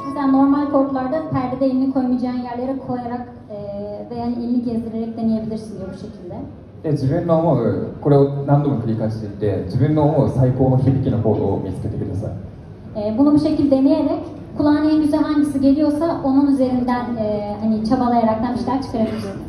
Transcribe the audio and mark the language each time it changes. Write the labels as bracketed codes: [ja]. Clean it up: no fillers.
[tr] normal kodlarda perdede elini koymayacağın yerlere koyarak veya elini gezdirerek deneyebilirsin diyor bu şekilde. [ja] Evet, 自分の思う、これを何度も繰り返していって、自分の思う最高の響きのコードを見つけてください。 [tr] Bunu bu şekilde deneyerek, kulağına en güzel hangisi geliyorsa onun üzerinden hani çabalayaraktan bir şeyler çıkarabilirsin.